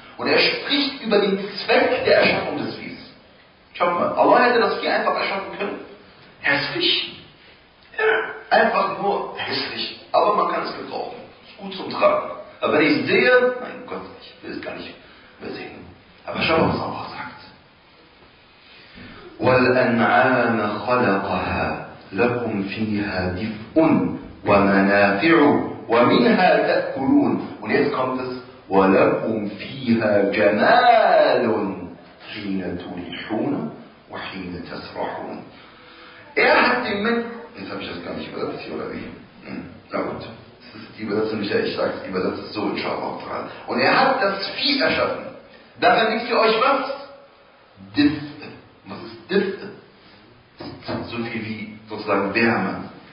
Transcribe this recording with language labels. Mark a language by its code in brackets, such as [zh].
[de] Und er spricht über den Zweck der Erschaffung des Viehs. Schaut mal, Allah hätte das Vieh einfach erschaffen können. Hässlich. Ja, einfach nur hässlich. Aber man kann es gebrauchen. Ist gut zum Tragen. Aber wenn ich sehe, mein Gott, ich will es gar nicht mehr sehen. Aber schau mal, was Allah sagt. [ar] وَالْأَنْعَامَ خَلَقَهَا لَكُمْ فِيهَا دِفْءٌ وَمَنَافِعُ وَمِنْهَا تَأْكُلُونَ [de] Und jetzt kommt es. [ar] وَلَكُمْ فِيهَا جَمَالٌ حِينَ تُرِيحُونَ وَحِينَ تَسْرَحُونَ [de] Er hat den Menschen... Jetzt habe ich das gar nicht übersetzt hier, oder wie? Na gut, das ist die Übersetzung, nicht, ich sage es, die Übersetzung ist so in Schabach dran. Und er hat das Vieh erschaffen. Darin liegt für euch was? Diffe. Was ist Diffe? So viel wie sozusagen Wärme.